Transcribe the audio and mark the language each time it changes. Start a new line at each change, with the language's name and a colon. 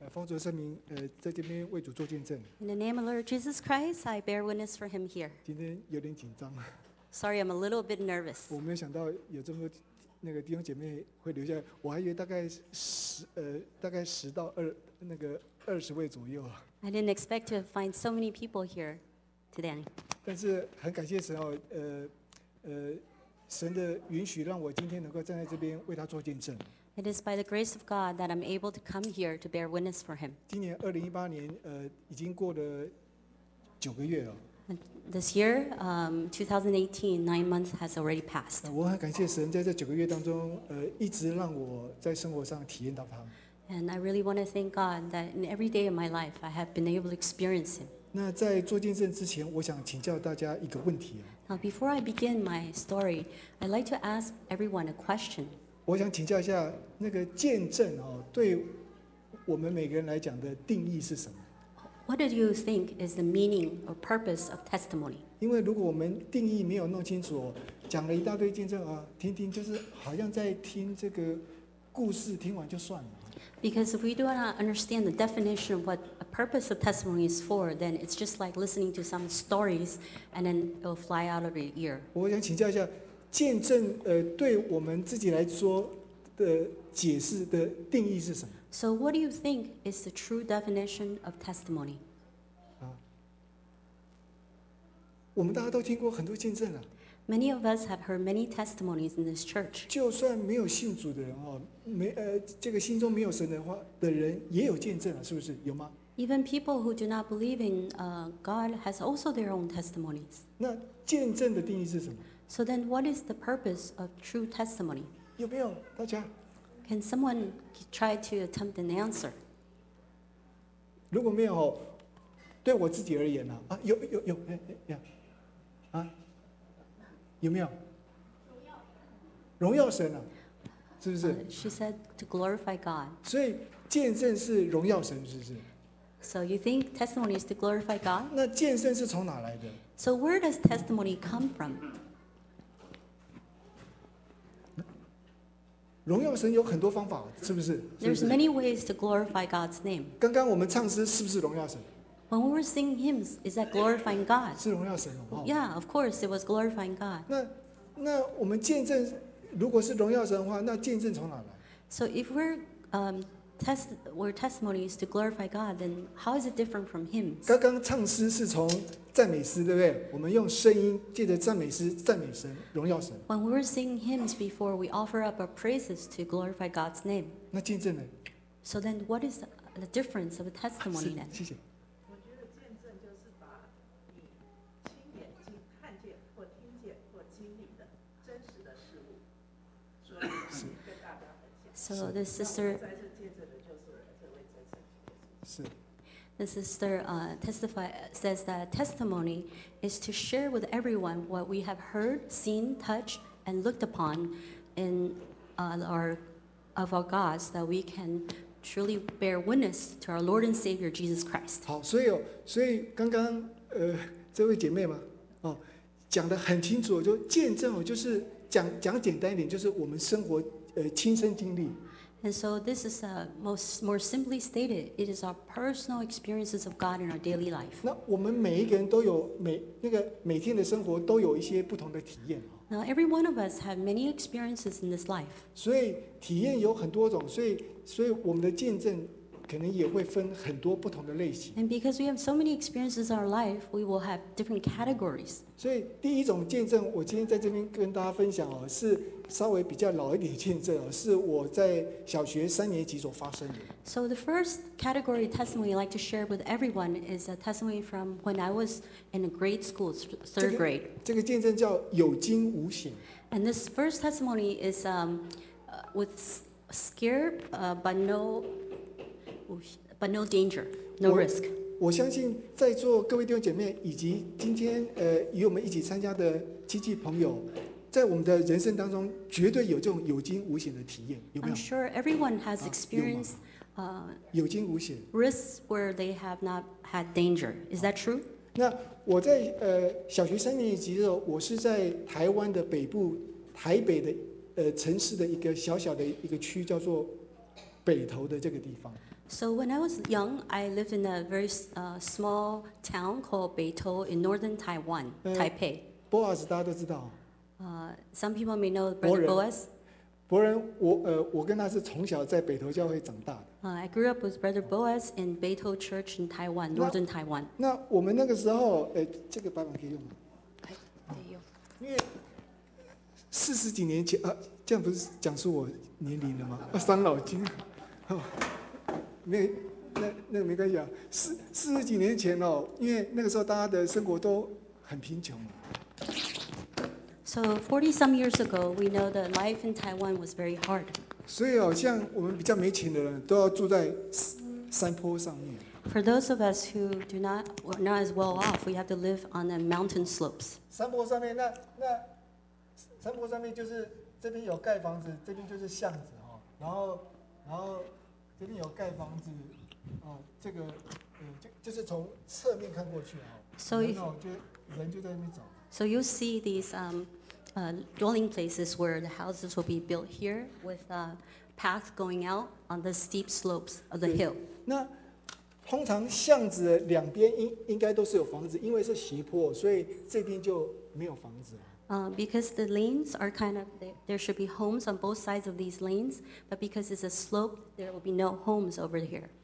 Chinese: 奉主的圣名，在这边为主做见证。
English: In the name of Lord Jesus Christ, I bear witness for Him here.
Chinese: 今天有点紧张。
English: Sorry, I'm a little bit nervous.
Chinese: 我没有想到有这么多那个弟兄姐妹会留下，我还以为大概大概十到二那个二十位左右。
English: I didn't expect to find so many people here today.
Chinese: 但是很感谢神哦，神的允许让我今天能够站在这边为他做见证。
English: It is by the grace of God that I'm able to come here to bear witness for Him.
Chinese: 今年2018年，已经过了九个月了。
English: This year, 2018, 9 months has already passed.
Chinese: 我很感谢神在这九个月当中，一直让我在生活上体验到他。
English: And I really want to thank God that in every day of my life, I have been able to experience Him.
Chinese: 那在做见证之前，我想请教大家一个问题。
English: Now, before I begin my story, I'd like to ask everyone a question.
Chinese: 我想请教一下，那个见证哦，对我们每个人来讲的定义是什么？
English: What do you think is the meaning or purpose of testimony?
Chinese: 因为如果我们定义没有弄清楚，讲了一大堆见证啊，听听就是好像在听这个故事，听完就算了。
English: Because if we do not understand the definition of what a purpose of testimony is for, then it's just like listening to some stories and then it will fly out of your ear.
Chinese: 我想请教一下，见证，对我们自己来说的解释的定义是什么？
English: So what do you think is the true definition of testimony? 啊，
Chinese: 我们大家都听过很多见证了。
English: Many of us have heard many testimonies in this church.
Chinese: 就算没有信主的人哦，没这个心中没有神的话的人也有见证了，是不是？有吗？
English: Even people who do not believe in God has also their own testimonies.
Chinese: 那见证的定义是什么？
English: So then, what is the purpose of true testimony?
Chinese: 有没有大家？
English: Can someone try to attempt an answer?
Chinese: 如果没有，对我自己而言呢？啊，有，哎哎呀，啊。有没有？荣耀神啊，是不是？
English: She said to glorify God.
Chinese: 所以见证是荣耀神，是不是？
English: So you think testimony is to glorify God?
Chinese: 那见证是从哪来的？
English: So where does testimony come from?
Chinese: 荣耀神有很多方法，是不是？
English: There's many ways to glorify God's name.
Chinese: 刚刚我们唱诗是不是荣耀神？
English: When we were singing hymns, is that glorifying God?
Chinese: 是荣耀神哦。
English: Yeah, of course, it was glorifying God.
Chinese: 那我们见证，如果是荣耀神的话，那见证从哪来？
English: So if we're our testimony is to glorify God, then how is it different from hymns?
Chinese: 刚刚唱诗是从赞美诗，对不对？我们用声音借着赞美诗赞美神，荣耀神。
English: When we were singing hymns before, we offer up our praises to glorify God's name.
Chinese: 那见证呢？
English: So then, what is the difference of a testimony then?
Chinese: 谢谢。
English: So the sister,
Chinese: 是
English: the sister says that testimony is to share with everyone what we have heard, seen, touched, and looked upon in our gods that we can truly bear witness to our Lord and Savior Jesus Christ.
Chinese: 好，所以刚刚这位姐妹嘛，哦，讲得很清楚，就见证，就是讲简单一点，就是我们生活亲身经历。
English: And so this is more simply stated, it is our personal experiences of God in our daily life.
Chinese: 那我们每一个人都有每天的生活都有一些不同的体验。
English: Now every one of us have many experiences in this life.
Chinese: 所以体验有很多种，所以我们的见证可能也会分很多不同的类型。
English: And because we have so many experiences in our life, we will have different categories.
Chinese: 所以第一种见证，我今天在这边跟大家分享哦，是稍微比较老一点的见证，是我在小学三年级所发生的。
English: So the first category testimony I'd like to share with everyone is a testimony from when I was in a grade school, third grade.
Chinese: 这个见证叫有惊无险。
English: And this first testimony is with scare, but no danger, no risk.
Chinese: 我相信在座各位弟兄姐妹以及今天与我们一起参加的亲戚朋友。在我们的人生当中，绝对有这种有惊无险的体验，有没有
English: ？I'm sure everyone has experienced
Chinese: 有惊无险
English: risks where they have not had danger. Is that true？
Chinese: 那我在小学三年级的时候，我是在台湾的北部，台北的城市的一个小小的一个区，叫做北投的这个地方。
English: So when I was young, I lived in a very small town called Beitou in northern Taiwan, Taipei.
Chinese: Boaz, 大家都知道。
English: Some people may know Brother Boaz.
Chinese: 伯仁，我跟他是从小在北投教会长大的。
English: I grew up with Brother Boaz in Beitou Church in Taiwan, northern Taiwan.
Chinese: 那我们那个时候，这个版本可以用吗？可以用。四十几年前啊，这样不是讲述我年龄了吗？啊，伤脑筋。哦，没，那没关系啊。四十几年前哦，因为那个时候大家的生活都很贫穷嘛。
English: So 40 some years ago, we know that life in Taiwan was very hard.
Chinese: 所以哦，像我们比较没钱的人，都要住在山坡上面。
English: For those of us who do not were not as well off, we have to live on the mountain slopes.
Chinese: 山坡上面那。山坡上面就是这边有盖房子，这边就是巷子哈，然后这边有盖房子，哦，这个就是从侧面看过去哈，所以就人就在那边走。
English: So you see these dwelling places where the houses will be built here with a path going out on the steep slopes of the hill.
Chinese: 那通常巷子两边应该都是有房子，因为是斜坡，所以这边就没有房子了。
English: Because the lanes are kind of, there should be homes on both sides of these lanes, but because it's a slope, there will be no homes over here.